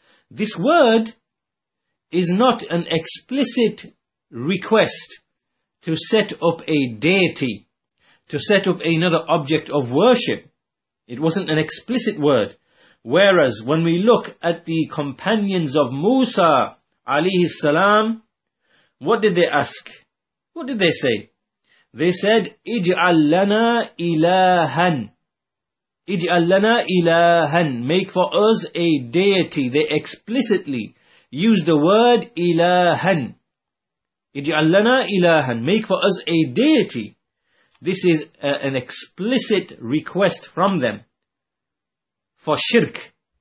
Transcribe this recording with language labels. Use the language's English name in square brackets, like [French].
[English] This word is not an explicit request to set up a deity, to set up another object of worship. It wasn't an explicit word. Whereas when we look at the companions of Musa alayhi salam, what did they ask? What did they say? They said, [Arabic] اجعل لنا إلهًا. اجعل لنا إلهًا. [English] Make for us a deity. They explicitly used the word إلهًا. [Arabic] اجعل لنا إلهًا. [English] Make for us a deity. This is an explicit request from them for shirk.